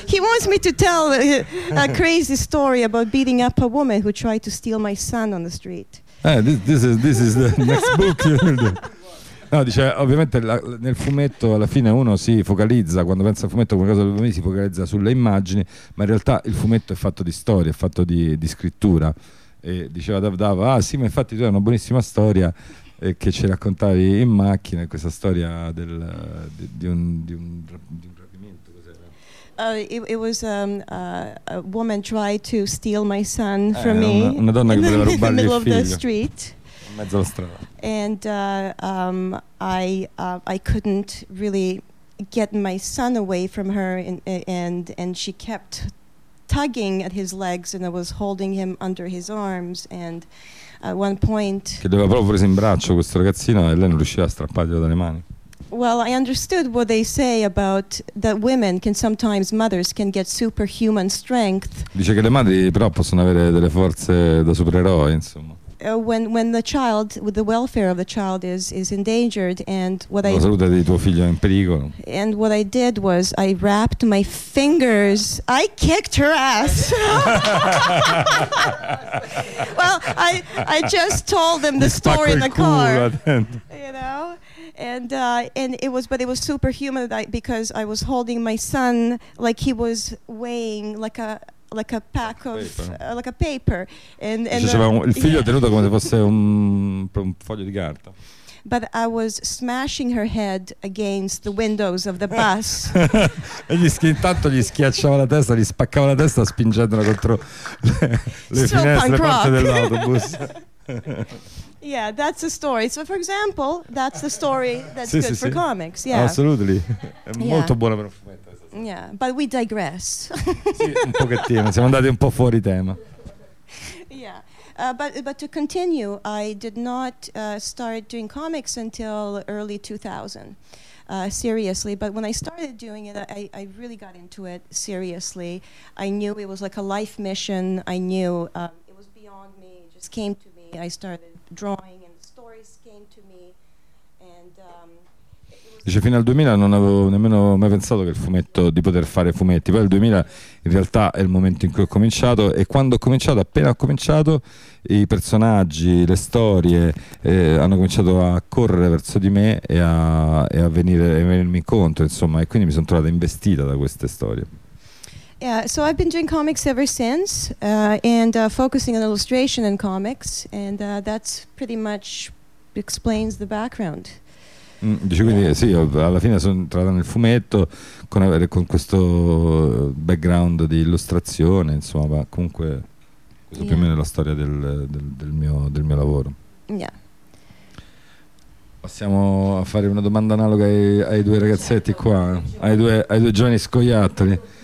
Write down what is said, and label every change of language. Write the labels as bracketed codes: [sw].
[en] He wants me to tell a crazy story about beating up a woman who tried to steal my son on the street. This is the next book. [it] No, dice, ovviamente nel fumetto alla fine uno si focalizza, quando pensa al fumetto come cosa per me, si focalizza sulle immagini, ma in realtà il fumetto è fatto di storie, è fatto di scrittura. E diceva Dav, ah sì, ma infatti tu hai una buonissima storia che ci raccontavi in macchina, questa storia di un rapimento, cos'era? [en] It was a woman tried to steal my son from me. [it] Una donna che voleva rubargli il figlio. Mezzo alla strada. [en] And I couldn't really get my son away from her, and she kept tugging at his legs, and I was holding him under his arms, and at one point. [it] Che doveva proprio preso in braccio questo ragazzino e lei non riusciva a strapparglielo dalle mani. [en] Well, I understood what they say about that women can sometimes, mothers can get superhuman strength. [it] Dice che le madri però possono avere delle forze da supereroe, insomma. [en] When the child, with the welfare of the child is endangered, and what [it] la salute di tuo figlio è in pericolo. [en] And what I did was I wrapped my fingers. I kicked her ass. Well, I just told them the story in the car. But it was superhuman because I was holding my son like he was weighing like a paper, [it] il figlio tenuto come se fosse un foglio di carta. [en] But I was smashing her head against the windows of the bus. [it] E intanto gli schiacciava la testa, gli spaccava la testa spingendola contro le finestre, le porte dell'autobus. [en] Yeah, that's the story. So, for example, that's the story that's sì, good sì, for sì. Comics. Yeah, [it] absolutely. È molto buona per un fumetto. [en] Yeah, but we digress. [it] Sì, un pochettino, siamo andati un po' fuori tema. [en] Yeah, but to continue, I did not start doing comics until early 2000, seriously. But when I started doing it, I really got into it seriously. I knew it was like a life mission. I knew it was beyond me. It just came to me. I started drawing, and stories came to me, and. [it] Dice, fino al 2000 non avevo nemmeno mai pensato che il fumetto, di poter fare fumetti. Poi il 2000 in realtà è il momento in cui ho cominciato, e quando ho cominciato, appena ho cominciato, i personaggi, le storie hanno cominciato a correre verso di me e a venirmi incontro, insomma, e quindi mi sono trovata investita da queste storie. [en] Yeah, so I've been doing comics ever since, and focusing on illustration and comics, and that's pretty much explains the background. [it] Dice quindi sì, alla fine sono entrata nel fumetto con questo background di illustrazione, insomma, ma comunque questo più o meno è la storia del mio lavoro. [en] Yeah. [it] Passiamo a fare una domanda analoga ai due ragazzetti qua, ai due giovani scoiattoli.